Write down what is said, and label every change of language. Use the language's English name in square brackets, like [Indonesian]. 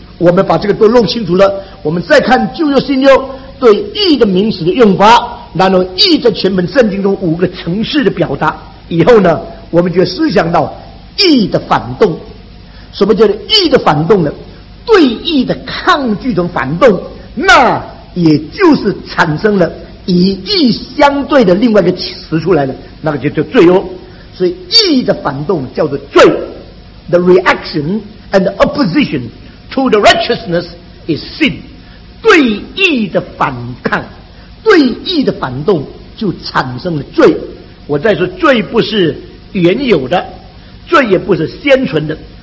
[Chinese] 我们把这个都弄清楚了，我们再看旧约新约对义的名词的用法，然后义的全本圣经中五个层次的表达以后呢，我们就思想到义的反动。什么叫做义的反动呢？对义的抗拒的反动，那也就是产生了以义相对的另外一个词出来了，那个就叫罪恶。所以义的反动叫做罪。 [English] The reaction and the opposition to the righteousness is sin。 [Chinese] 对义的反抗，对义的反动就产生了罪。我再说，罪不是原有的，罪也不是先存的，